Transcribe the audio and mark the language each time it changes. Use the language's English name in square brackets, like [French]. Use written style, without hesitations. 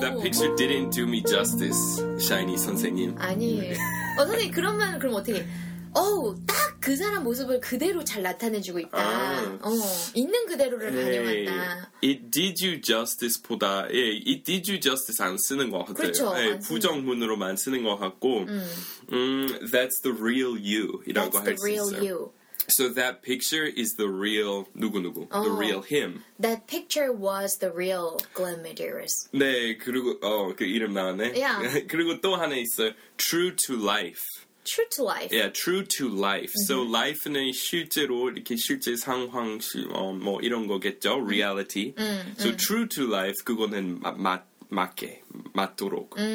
[English] That picture didn't do me justice, Shiny 선생님. [Korean] 아니에요. 선생님 그러면 그럼 어떻게 딱 그 사람 모습을 그대로 잘 나타내주고 있다. 있는 그대로를 반영했다. [English] It did you justice보다 예, it did you justice [Korean] 안 쓰는 것 같아요. 그렇죠. 예, 부정문으로만 쓰는 것 같고 [English] that's the real you [Korean] 이라고 할 수 있어요. [English] You. So that picture is the real 누구누구 the real him. That picture was the real Glenn Medeiros. [Korean] 네, 그리고 그 이름 나왔네. [English] Yeah. [Korean] 그리고 또 하나 있어요. [English] True to life. True to life. Yeah, true to life. Mm-hmm. [Korean] So life는 실제로 이렇게 실제 상황 뭐 이런 거겠죠. Reality. So true to life 그거는 맞게 맞도록.